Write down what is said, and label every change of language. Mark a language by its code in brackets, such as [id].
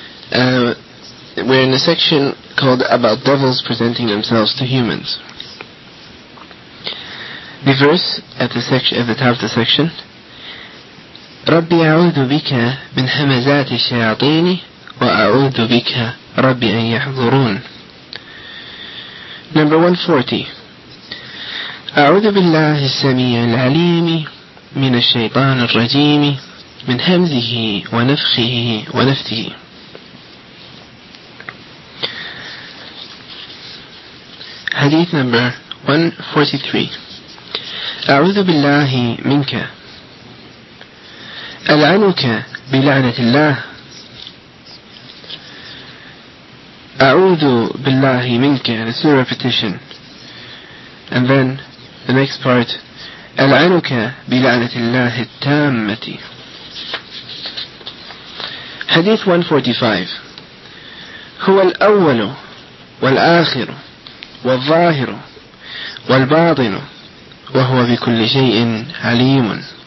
[en] We're in a section called About Devils Presenting Themselves to Humans. The verse at the top of the section. [ar] ربي أعوذ بك من همزات الشياطين وأعوذ بك ربي أن يحضرون. [en] Number 140. [ar] أعوذ بالله السميع العليم من الشيطان الرجيم من همزه ونفخه ونفثه. حديث نمبر 143. أعوذ بالله منك ألعنك بلعنة الله. أعوذ بالله منك. [en] And it's a repetition. And then The next part, [ar] العنك بلعنة الله التامة. [en] Hadith 145. [ar] هو الأول والآخر والظاهر والباطن وهو بكل شيء عليم.